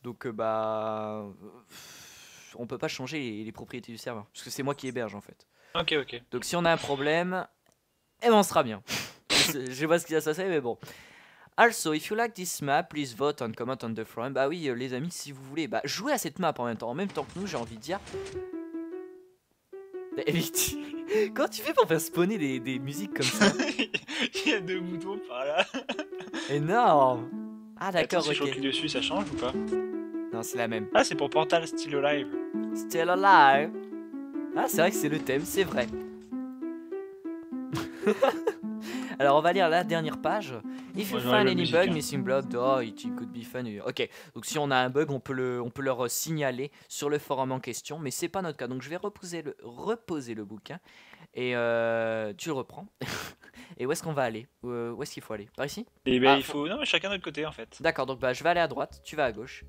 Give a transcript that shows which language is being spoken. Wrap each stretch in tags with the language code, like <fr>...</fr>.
<fr>Donc, on peut pas changer les propriétés du serveur. Parce que c'est moi qui héberge, en fait. Ok, ok. Donc, si on a un problème, eh ben, on sera bien. Je sais pas ce qui va se passer, mais bon.</fr> <en>Also, if you like this map, please vote and comment on the forum.</en> <fr>Bah oui, les amis, si vous voulez, bah, jouez à cette map en même temps que nous, j'ai envie de dire. David, comment tu fais pour faire spawner des musiques comme ça? Il y a deux boutons par là. Énorme. Ah, d'accord, attends, ok. Si je recule dessus, ça change ou pas? Non, c'est la même. Ah, c'est pour Portal Still Alive. Still Alive. Ah, c'est vrai que c'est le thème, c'est vrai. Alors, on va lire la dernière page.</fr> <en>If you find any bug, missing block, oh, it could be fun.</en> <fr>Ok, donc si on a un bug, on peut leur signaler sur le forum en question, mais c'est pas notre cas. Donc, je vais reposer le bouquin et tu le reprends. Et où est-ce qu'on va aller? Où est-ce qu'il faut aller? Par ici? Eh ben, il faut. Non, mais chacun de notre côté en fait. D'accord, donc bah, je vais aller à droite, tu vas à gauche.</fr>